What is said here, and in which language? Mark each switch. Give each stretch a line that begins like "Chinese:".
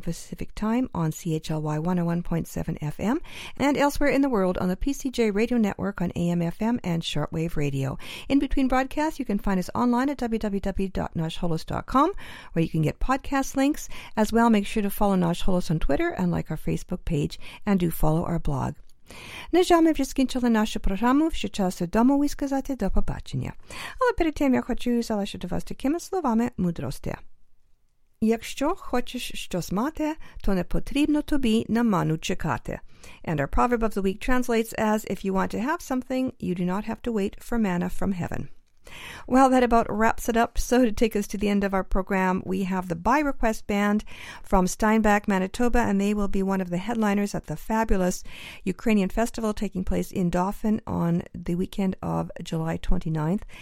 English: Pacific Time on CHLY 101.7 FM and elsewhere in the world on the PCJ Radio Network on AM FM and Shortwave Radio. In between broadcasts, you can find us online at www.noshholos.com where you can get podcast links. As well, make sure to follow Nosh Holos on Twitter and like our Facebook page and do follow our blog.
Ukrainian: На жаль, ми вже скінчили нашу програму, що часу домові сказати до побачення. Але перед тим я хочу залишити вас такими словами мудрості. Якщо хочеш щось мати, то не потрібно тобі на ману чекати.
English: And our proverb of the week translates as, if you want to have something, you do not have to wait for manna from heaven. Well, that about wraps it up. So to take us to the end of our program, we have the By Request Band from Steinbach, Manitoba, and they will be one of the headliners at the fabulous Ukrainian Festival taking place in Dauphin on the weekend of July 29th.